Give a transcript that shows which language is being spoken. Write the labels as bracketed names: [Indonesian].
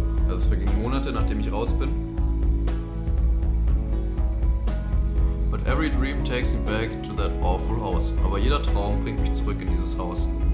[German] Also es vergingen Monate, nachdem ich raus bin. [English] But every dream takes me back to that awful house. [German] Aber jeder Traum bringt mich zurück in dieses Haus.